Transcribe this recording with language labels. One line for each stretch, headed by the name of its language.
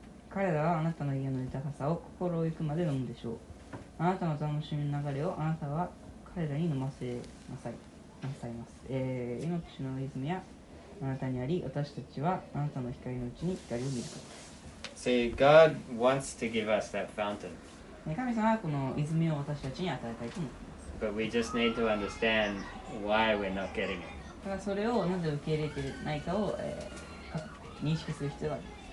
Japanese: 彼らはあなたの家の豊かさを心を行くまで飲むでしょう。あなたの楽しみの流れをあなたは彼らに飲ませなさい、なさいます、命の泉やあなたにあり、私たちはあなたの光のうちに光を見るから。
English: See, God wants to give us that fountain.
Japanese: 神様はこの泉を私たちに与えたいと思います。
English: But we just need to understand why we're not getting it.
Japanese: ただそれをなぜ受け入れてないかを、認識する必要がある。